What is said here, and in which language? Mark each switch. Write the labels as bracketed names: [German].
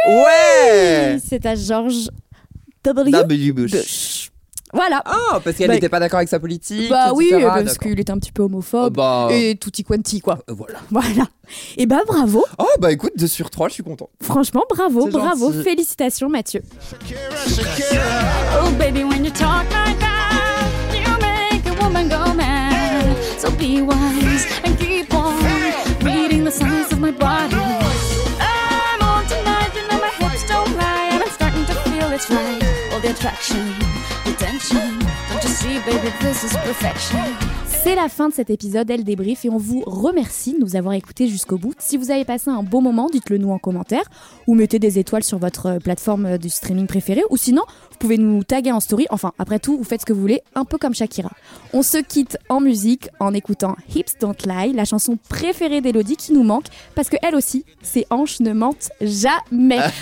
[French] Ouais. C'est à George W. Bush. Voilà. Oh, parce qu'elle n'était pas d'accord avec sa politique. Bah etc. Oui, parce d'accord. qu'il était un petit peu homophobe. Oh, et tutti quanti, quoi. Voilà. Voilà. Et bah bravo. Oh, bah écoute, 2 sur 3, je suis content. Franchement, bravo, c'est bravo. Gentil. Félicitations, Mathieu. [English] Shakira. Oh, baby, when you talk like that, you make a woman go mad. So be wise and keep on reading the signs of my body. I'm on tonight, you know my hips don't lie. And I'm starting to feel it's right. All the attraction. Don't you see, baby, this is perfection. [French] C'est la fin de cet épisode Elle Débrief et on vous remercie de nous avoir écoutés jusqu'au bout. Si vous avez passé un bon moment, dites-le nous en commentaire ou mettez des étoiles sur votre plateforme de streaming préférée ou sinon, vous pouvez nous taguer en story. Enfin, après tout, vous faites ce que vous voulez, un peu comme Shakira. On se quitte en musique en écoutant Hips Don't Lie, la chanson préférée d'Elodie qui nous manque parce qu'elle aussi, ses hanches ne mentent jamais.